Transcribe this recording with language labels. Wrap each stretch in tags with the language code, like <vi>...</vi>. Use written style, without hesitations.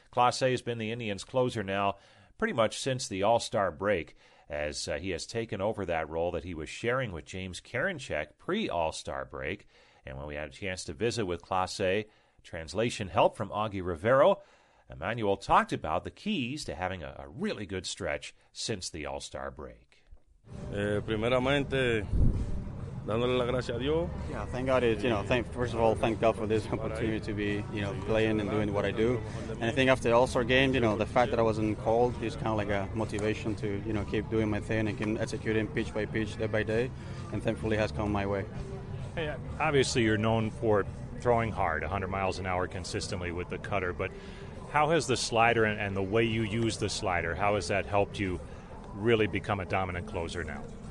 <en>Clase has been the Indians' closer now pretty much since the All-Star break, as he has taken over that role that he was sharing with James Karinchak pre-All-Star break. And when we had a chance to visit with Clase, translation help from Augie Rivero, Emmanuel talked about the keys to having a really good stretch since the All-Star break.</en> <es>Primeramente, dándole la gracia a Dios.</es> <en>Yeah, thank God. First of all, thank God for this opportunity to be, playing and doing what I do. And I think after the All-Star game, the fact that I wasn't called is kind of like a motivation to, keep doing my thing and can execute it pitch by pitch, day by day, and thankfully has come my way. Hey, obviously you're known for throwing hard, 100 miles an hour consistently with the cutter, but how has the slider and the way you use the slider, how has that helped you really become a dominant closer now?</en>